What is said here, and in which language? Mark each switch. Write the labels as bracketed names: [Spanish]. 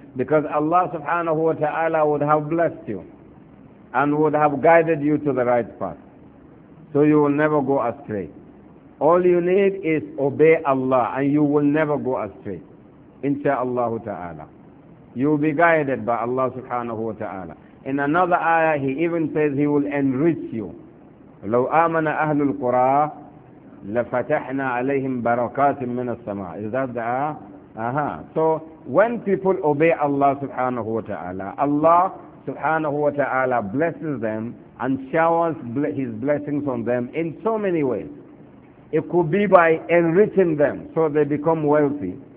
[English] Because Allah subhanahu wa ta'ala would have blessed you and would have guided you to the right path. So you will never go astray. All you need is obey Allah and you will never go astray. Insha'Allah ta'ala. You will be guided by Allah subhanahu wa ta'ala. In another ayah, He even says He will enrich you. [Arabic] لو آمن أهل القرى لَفَتَحْنَا عَلَيْهِمْ بَرَكَاتٍ مِّنَ السَّمَاءِ. [English] Is that the So when people obey Allah subhanahu wa ta'ala, Allah subhanahu wa ta'ala blesses them and showers His blessings on them in so many ways. It could be by enriching them so they become wealthy.